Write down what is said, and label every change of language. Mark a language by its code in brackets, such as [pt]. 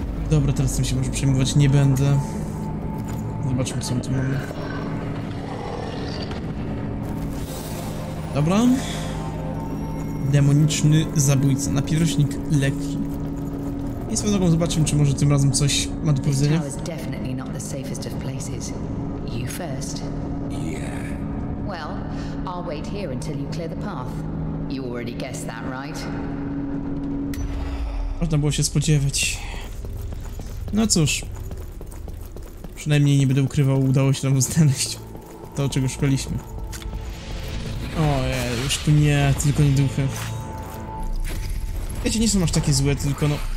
[pl] Dobra, teraz tym się może przejmować nie będę. Zobaczmy, co tu mamy. Dobra. Demoniczny zabójca, napierośnik lekki. I swoją drogą zobaczymy, czy może tym razem coś ma do powiedzenia. [en] This tower is definitely not the safest of places. You first. Yeah. Well, I'll wait here until you clear the path. You already guessed that, right? [pl] Można było się spodziewać. No cóż. Przynajmniej nie będę ukrywał, udało się nam znaleźć to, czego szukaliśmy. O, już tu nie, tylko nie duchy. Wiecie, nie są aż takie złe, tylko no...